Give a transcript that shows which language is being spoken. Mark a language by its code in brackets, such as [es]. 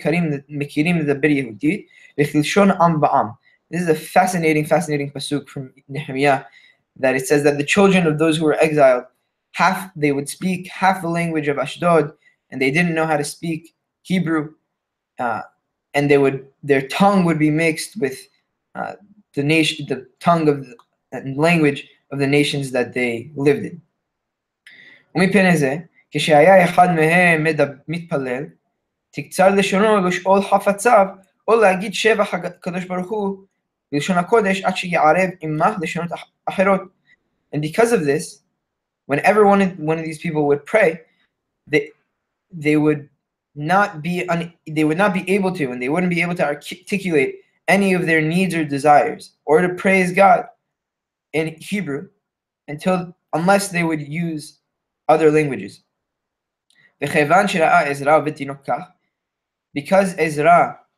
[en] This is a fascinating pasuk from Nehemiah, that it says that the children of those who were exiled, half they would speak half the language of Ashdod, and they didn't know how to speak Hebrew, and they would, their tongue would be mixed with the nation, the tongue of the language of the nations that they lived in. [he] Umipeneze, kishaya echad mehem meda mitpalel, תקצר לשונו לשאול חפציו, או להגיד שבח הקדוש ברוך הוא בלשון הקודש עד שיערב עמך לשונות אחרות. [en] And because of this, whenever one of these people would pray, they would not be able to, and they wouldn't be able to articulate any of their needs or desires, or to praise God in Hebrew, unless they would use other languages. [he] וכיוון שראה עזרא ותינוקה, [en] because Ezra